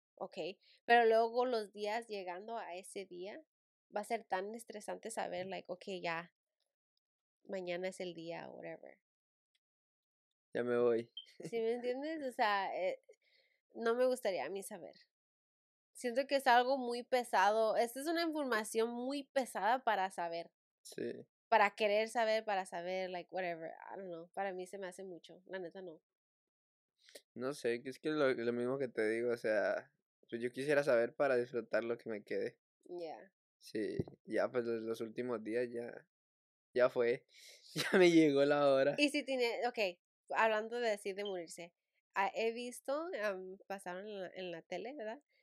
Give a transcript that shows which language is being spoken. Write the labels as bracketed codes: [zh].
[es] Okay, pero luego los días llegando a ese día va a ser tan estresante saber, [en] like, okay, [es] ya mañana es el día, whatever. Ya me voy. ¿Sí me entiendes? O sea, no me gustaría a mí saber. Siento que es algo muy pesado. Esta es una información muy pesada para saber. Sí. Para querer saber, para saber, [en] like, whatever. I don't know. [es] Para mí se me hace mucho. La neta no. No sé. Es que lo mismo que te digo, o sea. Pues yo quisiera saber para disfrutar lo que me quede. Ya. [en] Yeah. [es] Sí, ya pues los últimos días ya fue, ya me llegó la hora. Y si tiene, okay, hablando de decir de morirse, he visto, pasaron en la tele, ¿verdad?